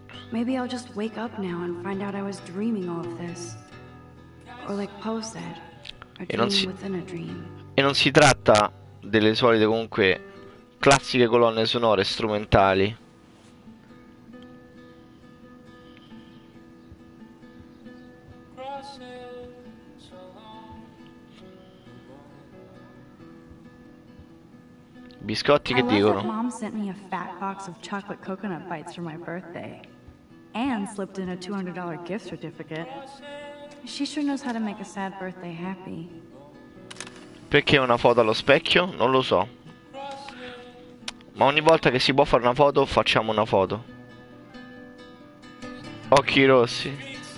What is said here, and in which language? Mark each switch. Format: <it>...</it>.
<en>Maybe I'll just wake up now and find out I was dreaming all of this. Or like Poe said, within a dream.</en> <it>E non si tratta delle solite comunque classiche colonne sonore strumentali. Biscotti che dicono.</it> <en>I love that Mom sent me a fat box of chocolate coconut bites for my birthday. And slipped in a $200 gift certificate. She sure knows how to make a sad birthday happy.</en> <it>Perché una foto allo specchio? Non lo so. Ma ogni volta che si può fare una foto, facciamo una foto. Occhi rossi.</it>